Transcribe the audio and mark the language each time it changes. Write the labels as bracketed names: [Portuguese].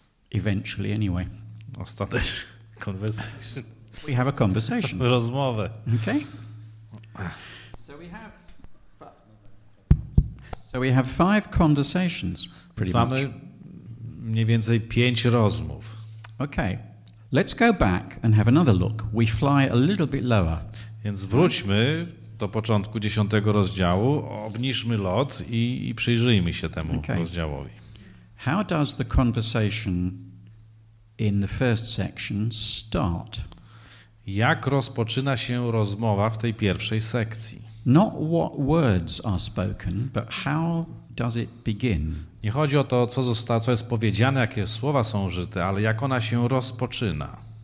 [English] Eventually anyway. [Polish] Ostatecznie. [English] Conversation. We have a conversation. [Polish] Rozmowę. [English] Okay. So we have five conversations, pretty [Polish] Znamy [English] much. [Polish] Mniej więcej pięć rozmów. [English] Okay, let's go back and have another look. We fly a little bit lower. [Polish] Więc wróćmy do początku 10 rozdziału, obniżmy lot i przyjrzyjmy się temu rozdziałowi. [English] How does the conversation in the first section start? [Polish] Jak rozpoczyna się rozmowa w tej pierwszej sekcji? [English] Not what words are spoken, but how does it begin? [Polish] Nie chodzi o to, co jest powiedziane, jakie słowa są użyte, ale jak ona się rozpoczyna.